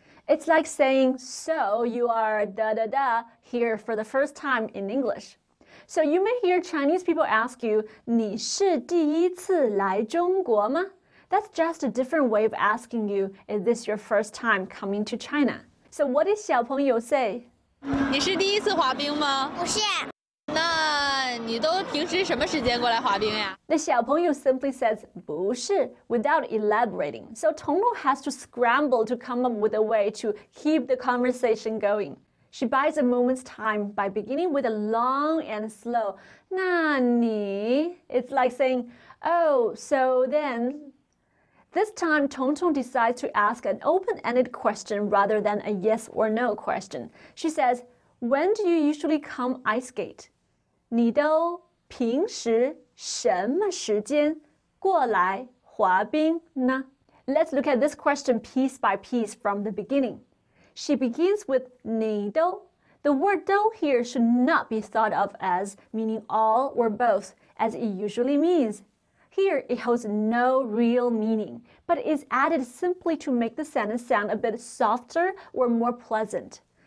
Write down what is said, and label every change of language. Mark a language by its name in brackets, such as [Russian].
[English] It's like saying, so you are da da da here for the first time in English. So you may hear Chinese people ask you, [Chinese] 你是第一次来中国吗? [English] That's just a different way of asking you, is this your first time coming to China? So what did 小朋友 say? [Chinese] 你是第一次滑冰吗？不是。那你都平时什么时间过来滑冰呀？ [English] The 小朋友 simply says [Chinese] 不是 [English] without elaborating. So Tong Tong has to scramble to come up with a way to keep the conversation going. She buys a moment's time by beginning with a long and slow [Chinese] 那你 [English] It's like saying, oh, so then. This time, Tong Tong decides to ask an open-ended question rather than a yes or no question. She says, when do you usually come ice skate? [Chinese] 你都平时什么时间过来滑冰呢? [English] Let's look at this question piece by piece from the beginning. She begins with [Chinese] 你都. [English] The word 都 here should not be thought of as meaning all or both, as it usually means. Here, it holds no real meaning, but is added simply to make the sentence sound a bit softer or more pleasant.